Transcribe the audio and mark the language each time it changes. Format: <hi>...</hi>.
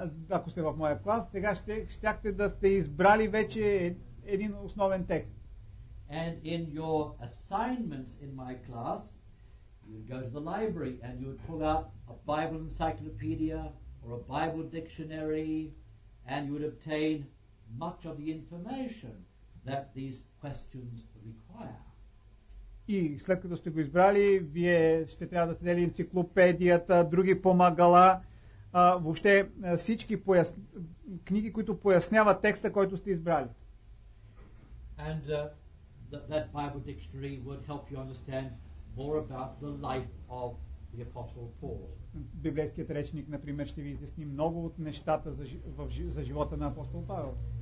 <bg>Ако сте в моя клас, сега щяхте да сте избрали вече един основен текст.</bg> <en>And in your assignments in my class, you would go to the library and you would pull out a Bible encyclopedia or a Bible dictionary and you would obtain much of the information that these questions require.</en> <bg>И след като сте го избрали, вие ще трябва да следите енциклопедията, други помагала, въобще всички книги, които поясняват текста, който сте избрали.</bg> <en>And that Bible dictionary would help you understand more about the life of the Apostle Paul.</en> <bg>Библейският речник, например, ще ви изясни много от нещата за живота на апостол Павел.</bg>